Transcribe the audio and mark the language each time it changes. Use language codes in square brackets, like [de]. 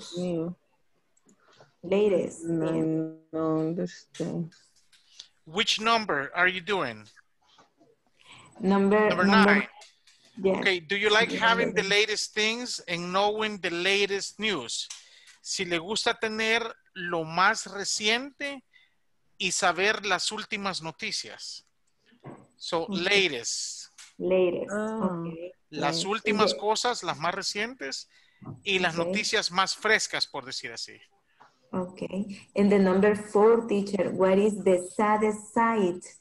[en] New. Latest. No, understand. Which number are you doing? Number nine. Yes. Okay, do you like having the latest things and knowing the latest news? [es] Si le gusta tener lo más reciente y saber las últimas noticias. [en] So, latest. Latest. [es] Las últimas cosas, las más recientes y las noticias más frescas, por decir así. [en] Okay. And the number four, teacher, what is the saddest sight?